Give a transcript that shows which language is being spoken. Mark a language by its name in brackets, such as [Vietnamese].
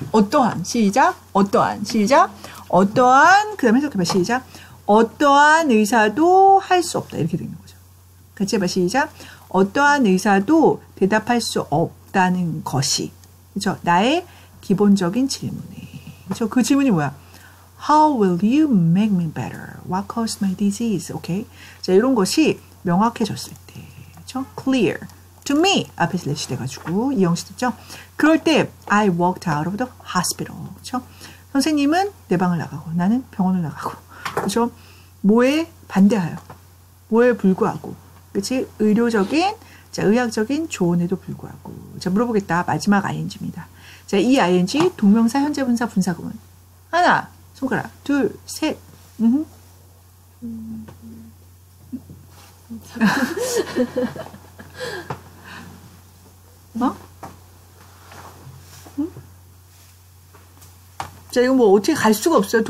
[Korean] 어떠한, 시작. 어떠한, 시작. 어떠한, 그 다음에 해석해봐, 시작. 어떠한 의사도 할 수 없다. 이렇게 되는 거죠. 같이 해봐, 시작. 어떠한 의사도 대답할 수 없다는 것이. 그쵸? 나의 기본적인 질문이. 그쵸? 그 질문이 뭐야? [English] How will you make me better? What caused my disease? Okay. [Korean] 자, 이런 것이 명확해졌을 때. 그쵸? Clear. To me, 앞에 슬래시 돼가지고 이 형식 됐죠? 그럴 때 [English] I walked out of the hospital. [Korean] 그쵸? 선생님은 내 방을 나가고 나는 병원을 나가고 그쵸? 뭐에 반대하여? 뭐에 불구하고? 그치? 의료적인, 자, 의학적인 조언에도 불구하고 자, 물어보겠다. 마지막 ing입니다. 자, 이 ing, 동명사, 현재분사, 분사구문 하나, 손가락, 둘, 셋 자, 이거 뭐 어떻게 갈 수가 없어요.